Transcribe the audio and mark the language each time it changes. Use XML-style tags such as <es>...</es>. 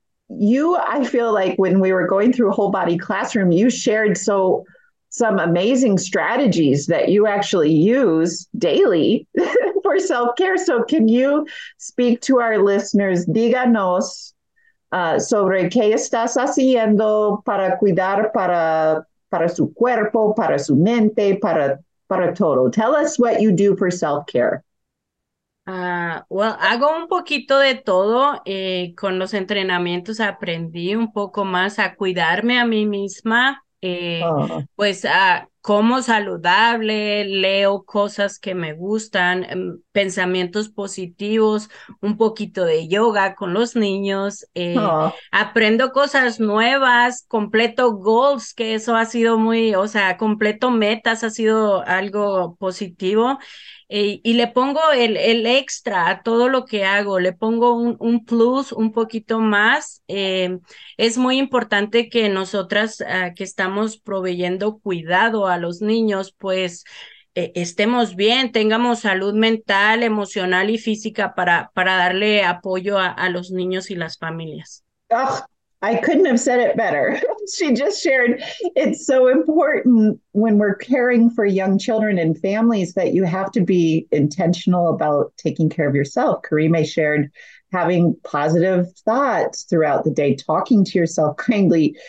<en>I feel like when we were going through Whole Body Classroom, you shared some amazing strategies that you actually use daily for self-care. So can you speak to our listeners? Díganos</en> <es>sobre qué estás haciendo para cuidar para su cuerpo, para su mente, para todo.</es> <en>Tell us what you do for self-care.</en> <es>Well, hago un poquito de todo. Con los entrenamientos aprendí un poco más a cuidarme a mí misma. Pues como saludable, leo cosas que me gustan, pensamientos positivos, un poquito de yoga con los niños, aprendo cosas nuevas, completo goals, que eso ha sido muy, o sea, completo metas, ha sido algo positivo, y le pongo el extra a todo lo que hago, le pongo un plus, un poquito más. Es muy importante que nosotras que estamos proveyendo cuidado a los niños, pues estemos bien, tengamos salud mental, emocional y física para darle apoyo a los niños y las familias.</es> <en>Oh, I couldn't have said it better. She just shared. It's so important when we're caring for young children and families that you have to be intentional about taking care of yourself. Carime shared having positive thoughts throughout the day, talking to yourself kindly.</en>